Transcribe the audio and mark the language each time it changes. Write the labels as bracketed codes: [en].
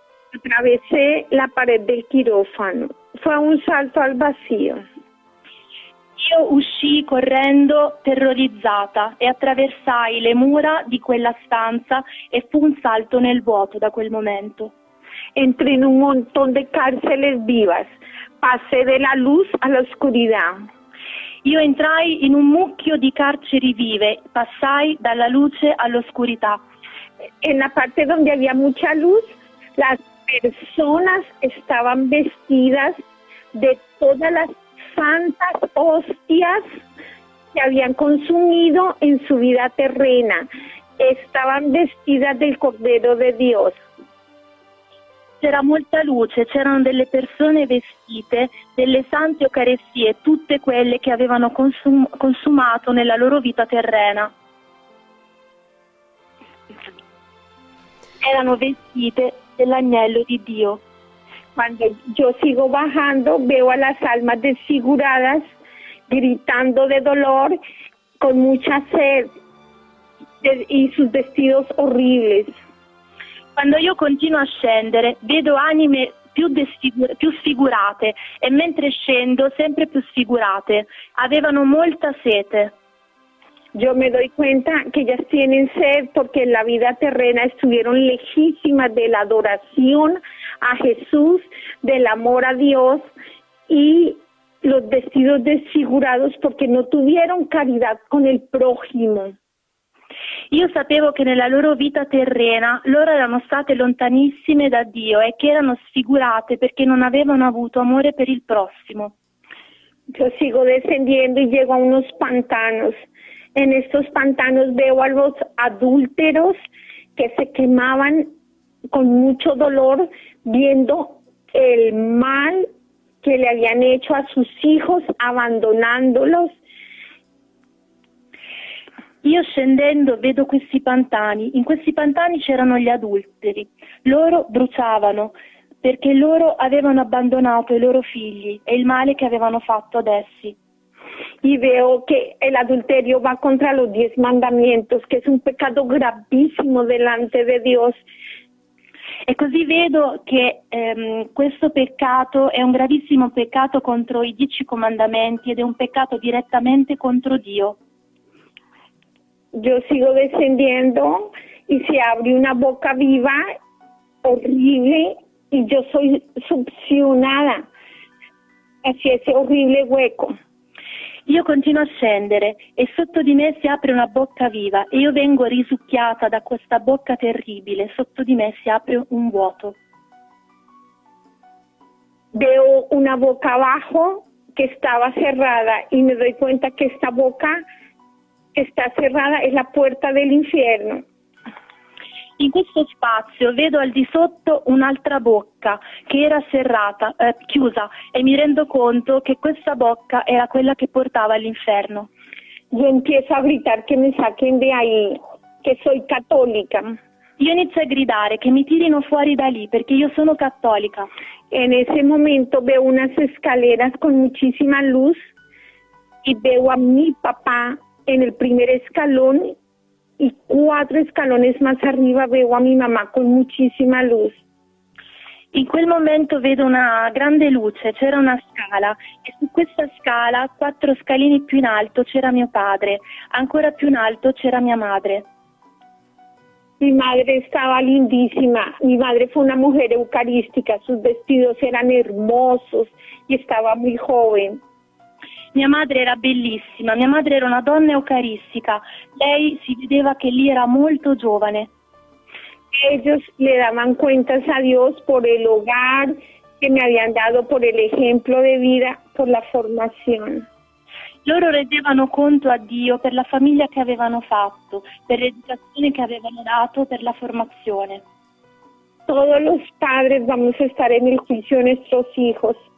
[es] Attraversé la pared del quirófano. Fue un salto al vacío. [it] Io uscii correndo terrorizzata e attraversai le mura di quella stanza e fu un salto nel vuoto da quel momento. [es] Entré en un montón de cárceles vivas. Pasé de la luz a la oscuridad. [it] Io entrai in un mucchio di carceri vive. Passai dalla luce all'oscurità. [es] En la parte donde había mucha luz, las personas estaban vestidas de todas las santas hostias que habían consumido en su vida terrena. Estaban vestidas del Cordero de Dios. [it] C'era molta luce, c'erano delle persone vestite delle sante eucaristie, tutte quelle che avevano consumato nella loro vita terrena. Erano vestite dell'agnello di Dio. Quando io [es] sigo bajando, veo a las almas desfiguradas, gritando de dolor, con mucha sed y sus vestidos horribles. [it] Quando io continuo a scendere, vedo anime più sfigurate e mentre scendo sempre più sfigurate. Avevano molta sete. [es] Yo me doy cuenta que ellas tienen sed porque en la vida terrena estuvieron lejísimas de la adoración a Jesús, del amor a Dios y los vestidos desfigurados porque no tuvieron caridad con el prójimo. [it] Io sapevo che nella loro vita terrena loro erano state lontanissime da Dio e che erano sfigurate perché non avevano avuto amore per il prossimo. [es] Yo sigo descendiendo y llego a unos pantanos. En estos pantanos veo a los adúlteros que se quemaban con mucho dolor viendo el mal que le habían hecho a sus hijos abandonándolos. [it] Io scendendo vedo questi pantani. In questi pantani c'erano gli adulteri. Loro bruciavano perché loro avevano abbandonato i loro figli e il male che avevano fatto ad essi. [es] Y veo que el adulterio va contra los 10 mandamientos, que es un pecado gravísimo delante de Dios. [it] E così vedo che questo peccato è un gravissimo peccato contro i 10 comandamenti ed è un peccato direttamente contro Dio. [es] Yo sigo descendiendo y se abre una boca viva horrible y yo soy succionada hacia ese horrible hueco. [it] Io continuo a scendere e sotto di me si apre una bocca viva e io vengo risucchiata da questa bocca terribile. Sotto di me si apre un vuoto. Veo una bocca abajo che stava cerrata e [es] mi doy cuenta [it] che questa bocca che sta cerrata è [es] la puerta [it] dell'inferno. In questo spazio vedo al di sotto un'altra bocca che era serrata, chiusa, e mi rendo conto che questa bocca era quella che portava all'inferno. Io [es] empiezo a gritar che mi saquen de ahí, che soy católica. [it] Io inizio a gridare che mi tirino fuori da lì perché io sono cattolica. [es] En ese momento veo unas escaleras con muchísima luz y veo a mi papá en el primer escalón. Y cuatro escalones más arriba veo a mi mamá con muchísima luz. [it] In quel momento vedo una grande luce, c'era una scala, e su questa scala, quattro scalini più in alto, c'era mio padre, ancora più in alto c'era mia madre. [es] Mi madre estaba lindísima, mi madre fue una mujer eucarística, sus vestidos eran hermosos y estaba muy joven. [it] Mia madre era bellissima, mia madre era una donna eucaristica, lei si vedeva che lì era molto giovane. [es] Ellos le daban cuentas a Dios por el hogar que me habían dado, por el ejemplo de vida, por la formación. [it] Loro rendevano conto a Dio per la famiglia che avevano fatto, per l'educazione che avevano dato, per la formazione. [es] Todos los padres vamos a estar en el juicio de nuestros hijos.